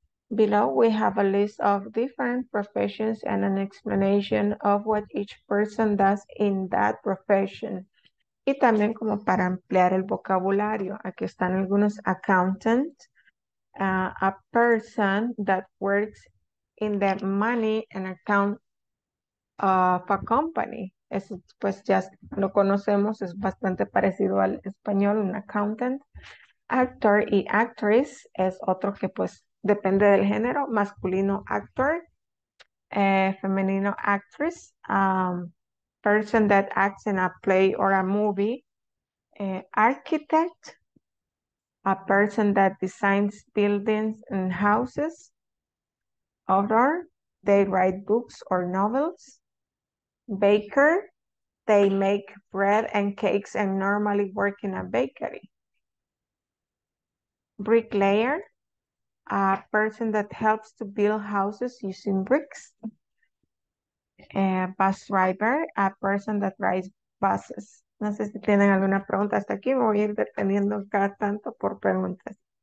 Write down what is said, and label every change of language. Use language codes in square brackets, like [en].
[en] Below we have a list of different professions and an explanation of what each person does in that profession. [es] Y también como para ampliar el vocabulario. Aquí están algunos accountants. [en] A person that works in the money and account of a company. [es] Eso pues ya lo conocemos, es bastante parecido al español, un accountant. Actor y actress es otro que pues depende del género, masculino actor, femenino actress, [en] person that acts in a play or a movie, architect, a person that designs buildings and houses, author, they write books or novels, baker, they make bread and cakes and normally work in a bakery. Bricklayer, a person that helps to build houses using bricks. Bus driver, a person that rides buses. [es] No sé si tienen alguna pregunta hasta aquí, me voy a ir deteniendo cada tanto por preguntas.